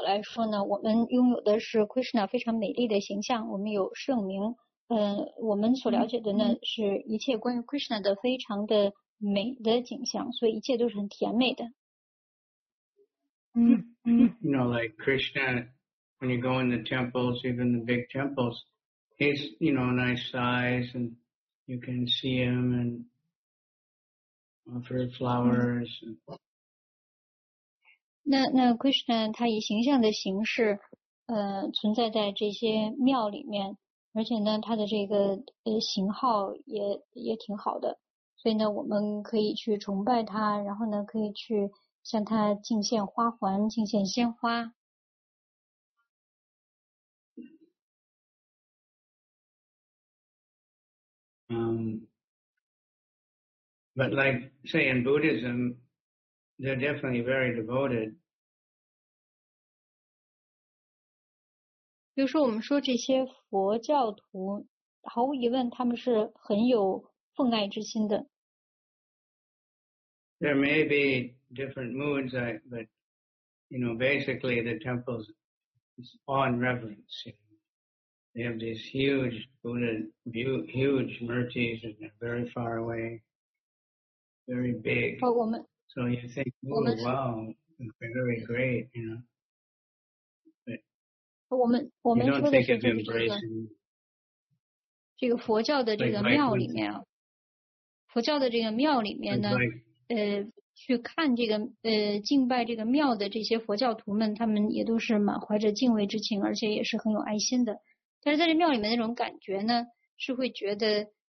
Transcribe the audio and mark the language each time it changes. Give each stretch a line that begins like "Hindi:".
Chinese: 作为奉献者来说呢，我们拥有的是 Krishna 非常美丽的形象，我们有圣名，我们所了解的呢是一切关于 Krishna 的非常的美的景象，所以一切都是很甜美的。
English: You know, like Krishna, when you go in the temples, even the big temples, he's, you know, nice size and you can see him and offer flowers. And...
Chinese: 那 Krishna 他以形象的形式，存在在这些庙里面，而且呢，他的这个型号也挺好的，所以呢，我们可以去崇拜他，然后呢，可以去向他敬献花环、敬献鲜花。But
English: like say in Buddhism, they're definitely very devoted.
Chinese: 比如说我们说这些佛教徒，毫无疑问他们是很有奉爱之心的。There
English: may be different moods, but you know, basically the temples is awe and reverence. They have these huge Buddha, huge murtis, and they're very far away, very big. So you think, oh wow, very great, you know.
Chinese: 我们说的是这个佛教的这个庙里面呢，去看这个敬拜这个庙的这些佛教徒们，他们也都是满怀着敬畏之情，而且也是很有爱心的。但是在这庙里面那种感觉呢，是会觉得